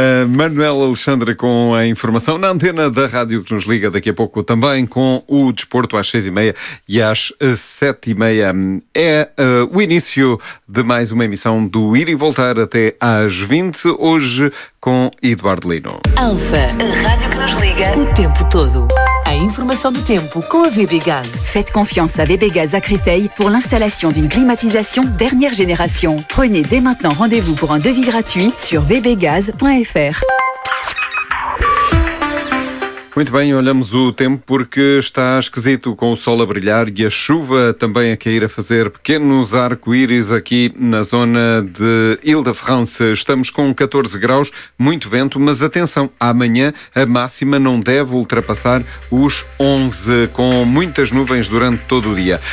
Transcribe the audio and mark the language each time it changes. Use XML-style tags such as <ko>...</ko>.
<pt>Manuel Alexandre com a informação na antena da rádio que nos liga daqui a pouco também com o desporto às 6h30 e às 7h30. É o início de mais uma emissão do Ir e Voltar até às 20, hoje com Eduardo Lino. Alfa, a rádio que nos liga o tempo todo. A informação do tempo com a VB Gaz.</pt> <fr>Faites confiance à VB Gaz à Créteil pour l'installation d'une climatisation dernière génération. Prenez dès maintenant rendez-vous pour un devis gratuit sur vbgaz.fr.</fr> <pt>Muito bem, olhamos o tempo porque está esquisito com o sol a brilhar e a chuva também a cair a fazer pequenos arco-íris aqui na zona de Île-de-France. Estamos com 14 graus, muito vento, mas atenção, amanhã a máxima não deve ultrapassar os 11, com muitas nuvens durante todo o dia.</pt>